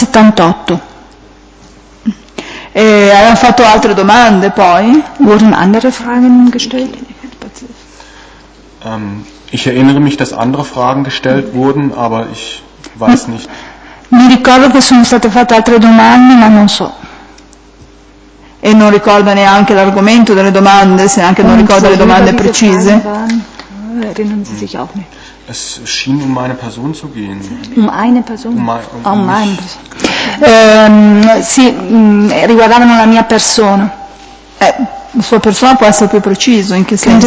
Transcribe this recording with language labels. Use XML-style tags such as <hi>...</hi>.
<it>Hanno fatto altre domande poi?</it> <de>Wurden andere Fragen gestellt? Ich erinnere mich, dass andere Fragen gestellt wurden, aber ich weiß nicht.</de> <it>Mi ricordo che sono state fatte altre domande, ma non so. E non ricorda neanche l'argomento delle domande, se anche non ricorda le domande precise.</it> <de>Erinnern Sie sich auch nicht. Es schien um meine Person zu gehen. Um eine Person? Um meine Person.</de> <it>Sì, riguardavano la mia persona. La sua persona può essere più preciso, in che senso?</it>